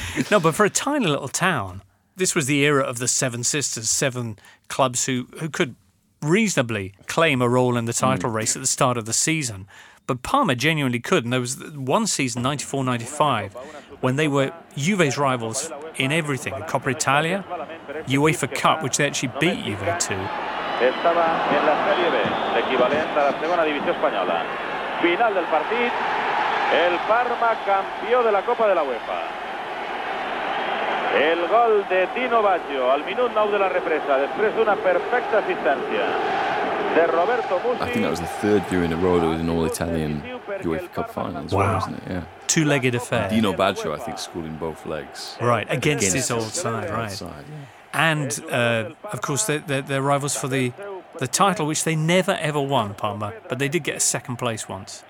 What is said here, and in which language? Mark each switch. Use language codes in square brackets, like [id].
[en] No, but for a tiny little town, this was the era of the Seven Sisters, seven clubs who could reasonably claim a role in the title race at the start of the season. But Parma genuinely could, and there was one season, 94-95, when they were Juve's rivals in everything, Coppa Italia, UEFA Cup, which they actually beat Juve to. [es] Estaba en la Serie B, el equivalente a la Segunda División Española. Final del partido, el Parma campeón de la Copa de la UEFA. El gol de Dino Baggio al minuto 9 de la represa, después de una perfecta asistencia. [en] I think that was the third year in a row that was an all-Italian UEFA Cup final as well, wasn't it? Yeah. Two-legged affair. Dino Baggio, I think, scored in both legs. Right, against his old side, right. Side, yeah. And, of course, they're rivals for the title, which they never, ever won, Parma, but they did get a second place once.